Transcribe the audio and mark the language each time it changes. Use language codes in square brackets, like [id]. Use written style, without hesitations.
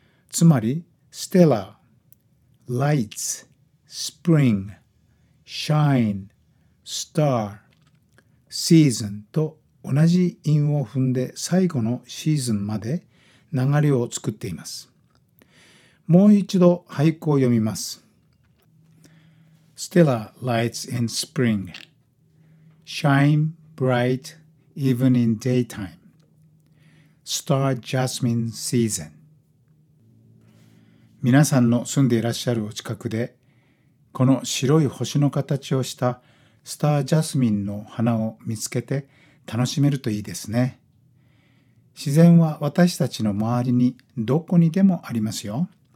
[ja] つまり、 [en] Stella, Lights,Spring, Shine, Star, Season [ja] と同じ韻を踏んで最後のシーズンまで流れを作っています。もう一度俳句を読みます。 [en] Stella lights in spring. Shine bright even in daytime. Star jasmine season. [ja] 皆さんの住んでいらっしゃるお近くで、この白い星の形をしたスタージャスミンの花を見つけて楽しめるといいですね。自然は私たちの周りにどこにでもありますよ。